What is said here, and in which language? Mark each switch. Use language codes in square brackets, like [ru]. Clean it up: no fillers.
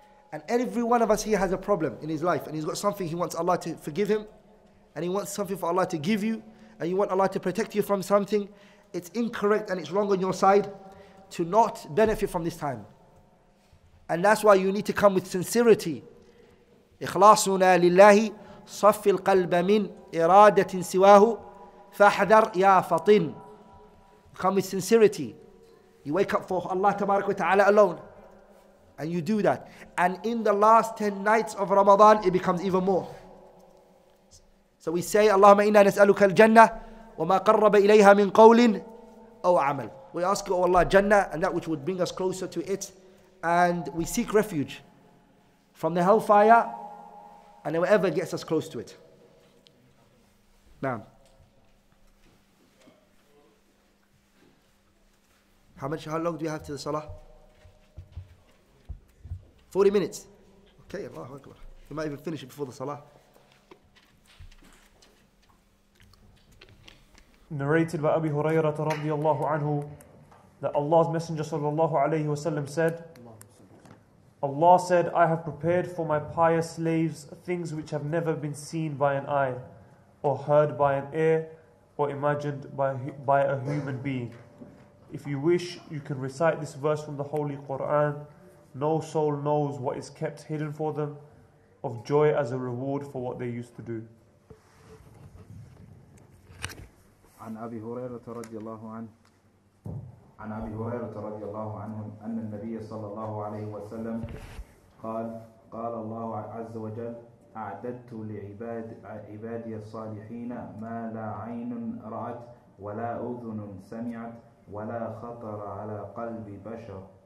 [en] And every one of us here has a problem in his life and he's got something he wants Allah to forgive him and he wants something for Allah to give you and you want Allah to protect you from something. It's incorrect and it's wrong on your side to not benefit from this time. And that's why you need to come with sincerity. [ar] إخلاصنا لله صف القلب من إرادة سواه فاحذر يا فطن. [en] Come with sincerity. You wake up for Allah tabarak wa ta'ala alone. And you do that. And in the last 10 nights of Ramadan, it becomes even more. So we say, [ar] اللهم إنا نسألك الجنة وما قرب إليها من قول أو عمل. [en] We ask you, O Allah, Jannah, and that which would bring us closer to it. And we seek refuge from the hellfire and whatever gets us close to it. Ma'am. How long do we have to the salah? 40 minutes. Okay, Allahu Akbar. We might even finish it before the salah. Narrated by Abi Hurairah radiallahu anhu, that Allah's Messenger sallallahu alayhi wasallam said, Allah said, I have prepared for my pious slaves things which have never been seen by an eye, or heard by an ear, or imagined by a human being. If you wish, you can recite this verse from the Holy Quran. No soul knows what is kept hidden for them of joy as a reward for what they used to do. [ar] عن أبي هريرة رضي الله عنه عن أبي هريرة رضي الله عنه أن النبي صلى الله عليه وسلم قال قال الله عز وجل أعددت لعبادي الصالحين ما لا عين رأت ولا أذن سمعت ولا خطر على قلب بشر